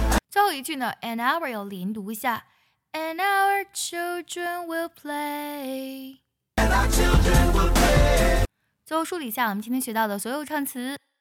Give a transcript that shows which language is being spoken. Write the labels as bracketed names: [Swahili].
[Chinese] 最后一句呢 ,and our 要连读一下 [English] ,and our children will play, and our children will play. [Chinese] 最后梳理一下我们今天学到的所有唱词。